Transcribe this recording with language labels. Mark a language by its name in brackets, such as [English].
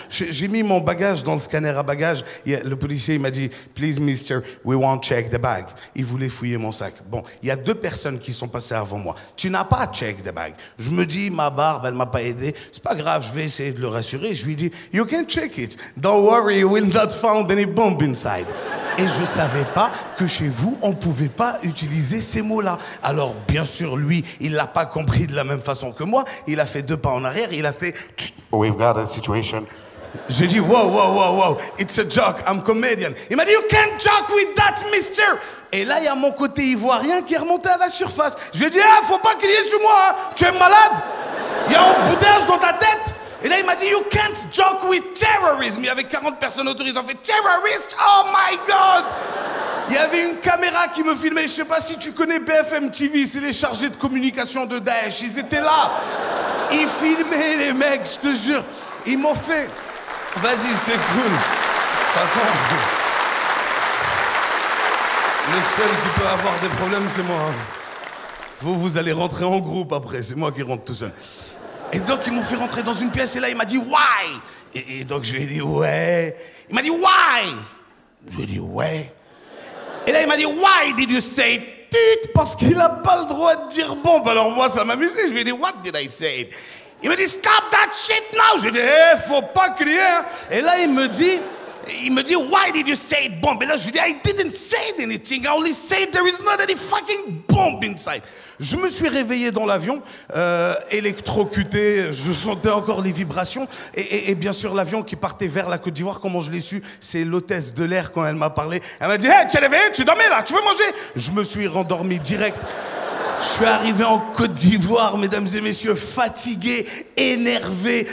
[French] J'ai mis mon bagage dans le scanner à bagages. Le policier, il m'a dit, [English] please, mister, we won't check the bag. [French] Il voulait fouiller mon sac. Bon, il y a deux personnes qui sont passées avant moi. Tu n'as pas [English] check the bag. [French] Je me dis, ma barbe, elle m'a pas aidé. C'est pas grave, je vais essayer de le rassurer. Je lui dis, [English] you can check it. Don't worry, you will not find any bomb inside. [French] Et je savais pas que chez vous, on pouvait pas utiliser ces mots-là. Alors, bien sûr, lui, il l'a pas compris de la même façon que moi. Il a fait deux pas en arrière, il a fait... [English] We've got a situation. [French] J'ai dit, [English] wow, wow, wow, wow, it's a joke, I'm comedian. [French] Il m'a dit, [English] you can't joke with that, mister. [French] Et là, il y a mon côté ivoirien qui est remonté à la surface. Je lui ai dit, ah, faut pas crier sur moi, hein. Tu es malade. Il y a un boudage dans ta tête. Et là, il m'a dit, [English] you can't joke with terrorism. [French] Il y avait 40 personnes autorisées. On fait, [English] terrorist, oh my God. [French] Il y avait une caméra qui me filmait. Je sais pas si tu connais BFM TV, c'est les chargés de communication de Daesh. Ils étaient là. Ils filmaient les mecs, je te jure. Ils m'ont fait... Vas-y, c'est cool. De toute façon, le seul qui peut avoir des problèmes, c'est moi. Vous, vous allez rentrer en groupe après. C'est moi qui rentre tout seul. Et donc, ils m'ont fait rentrer dans une pièce. Et là, il m'a dit, [English] why? [French] Et donc, je lui ai dit, ouais. Il m'a dit, [English] why? [French] Je lui ai dit, ouais. Et là, il m'a dit, [English] why did you say tit? [French] Parce qu'il n'a pas le droit de dire bombe. Alors, moi, ça m'amusait. Je lui ai dit, [English] what did I say? [French] Il me dit, [English] stop that shit now! [French] Je dis, hey, faut pas crier! Et là, il me dit, [English] why did you say it bomb? [French] Et là, je lui dis, [English] I didn't say anything, I only said there is not any fucking bomb inside. [French] Je me suis réveillé dans l'avion, électrocuté, je sentais encore les vibrations, et bien sûr, l'avion qui partait vers la Côte d'Ivoire, comment je l'ai su? C'est l'hôtesse de l'air quand elle m'a parlé. Elle m'a dit, hey, tu es réveillé, tu dormais là, tu veux manger? Je me suis rendormi direct. Je suis arrivé en Côte d'Ivoire, mesdames et messieurs, fatigué, énervé.